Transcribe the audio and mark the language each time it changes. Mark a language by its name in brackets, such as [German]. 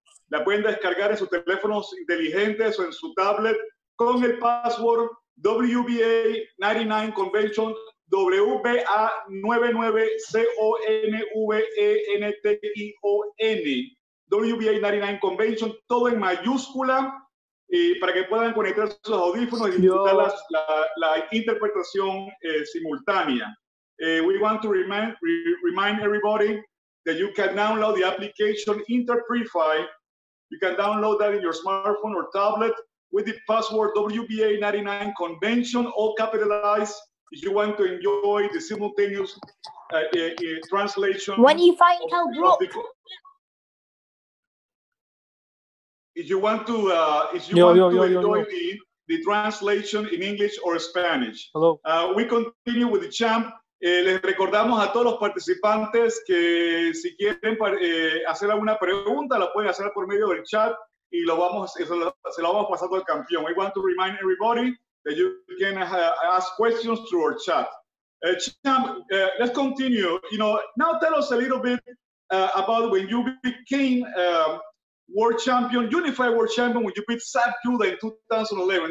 [Spanish] La pueden descargar en sus teléfonos inteligentes o en su tablet con el password WBA 99 Convention, WBA 99 CONVENTION, WBA 99 Convention, todo en mayúscula, para que puedan conectar sus audífonos y disfrutar la interpretación simultánea. [English] We want to remind everybody that you can download the application Interprefile. You can download that in your smartphone or tablet with the password WBA 99 Convention, all capitalized, if you want to enjoy the simultaneous translation. When you find out, bro. If you want to, enjoy the translation in English or Spanish. Hello. We continue with the champ. [Spanish] Les recordamos a todos los participantes que si quieren hacer alguna pregunta, la pueden hacer por medio del chat y se lo vamos pasando al campeón. [English] We want to remind everybody that you can ask questions through our chat. Champ, let's continue. You know, now tell us a little bit about when you became world champion, unified world champion, when you beat Saab Judah in 2011.